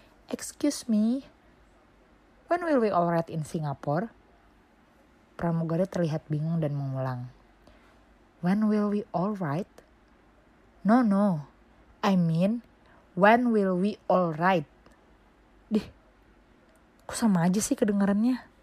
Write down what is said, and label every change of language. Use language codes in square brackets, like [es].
[en] Excuse me, when will we arrive in Singapore? [id] Pramugari terlihat bingung dan mengulang. [en] When will we arrive? No, no, I mean, when will we arrive? [id] Dih, kok sama aja sih kedengarannya?